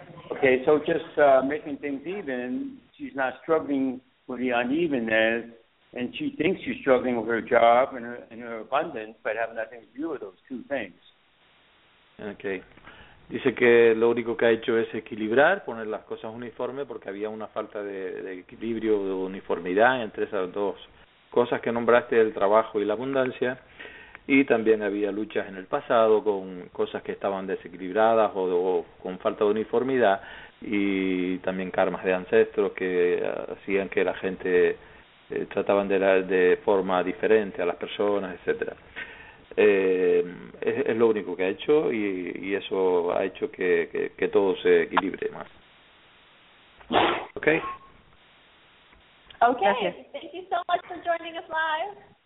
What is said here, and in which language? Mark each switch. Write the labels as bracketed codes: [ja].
[en] Okay, so just making things even, she's not struggling with the unevenness. And she thinks she's struggling with her job and her abundance, but have nothing to do with those two things. Okay. [es] Dice que lo único que ha hecho es equilibrar, poner las cosas uniformes, porque había una falta de equilibrio, de uniformidad entre esas dos cosas que nombraste, el trabajo y la abundancia. Y también había luchas en el pasado con cosas que estaban desequilibradas o con falta de uniformidad. Y también karmas de ancestros que hacían que la gente... trataban de forma diferente a las personas, etcétera. Es lo único que ha hecho y eso ha hecho que todo se equilibre más. [en] Okay. [es] Okay. Gracias. [en] Thank you so much for joining us live.